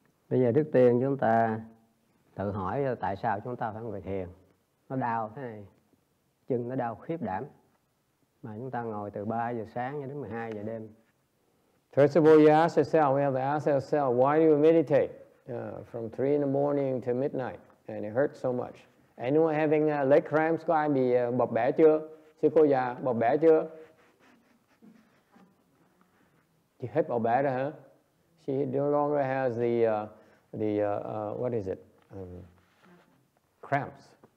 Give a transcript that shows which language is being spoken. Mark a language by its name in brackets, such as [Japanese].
[Vietnamese] Bây giờ trước tiên chúng ta tự hỏi tại sao chúng ta phải ngồi thiền. Nó đau thế này. chân nó đau khiếp đảm. Mà chúng ta ngồi từ 3 giờ sáng đến 12 giờ đêm. [English] First of all, you ask yourself, we have to ask ourselves, why do you meditate from 3 in the morning to midnight? And it hurts so much. Anyone having leg cramps, [Vietnamese] có ai bị bập bẹ chưa? Sư cô già, bập bẹ chưa? Chị hết bập bẹ rồi hả? [English] She no longer has cramps.